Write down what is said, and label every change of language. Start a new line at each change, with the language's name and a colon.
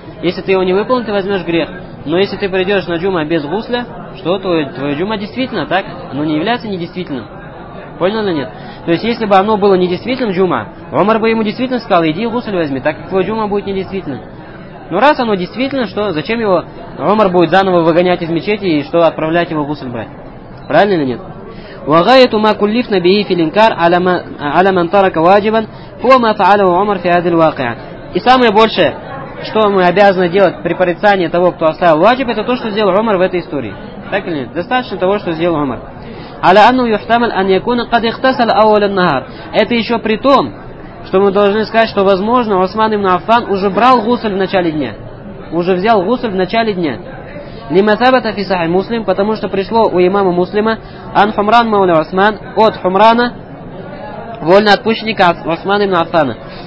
Russian: Если ты его не выполнил, ты возьмешь грех. Но если ты придешь на джума без гусля, что твое джума действительно, так? Оно не является недействительным. Понял или нет? То есть, если бы оно было недействительным, джума, Умар бы ему действительно сказал, иди гусль возьми, так как твой джума будет недействительным. Но раз оно действительно, что зачем его Умар будет заново выгонять из мечети и что отправлять его гусль брать? Правильно или нет?
Arabic: وغايه ما كلفنا به في الانكار على من ترك واجبا هو ما فعله عمر في هذه الواقعه.
Russian: И самое большее, что мы обязаны делать при порицании того, кто оставил ваджиб, это то, что сделал Умар в этой истории. Так или нет? Достаточно того, что сделал Умар.
Arabic: على انه يحتمل ان يكون قد اغتسل اول النهار.
Russian: Это еще при том, что мы должны сказать, что возможно, Усман ибн Аффан уже брал гусль в начале дня. Уже взял гусль в начале дня.
Arabic: لمثابته في صحيح مسلم,
Russian: потому что пришло у имама Муслима,
Arabic: ан хумран мауля Усман,
Russian: от Хумрана, вольно отпущенника Усмана ибн Аффана.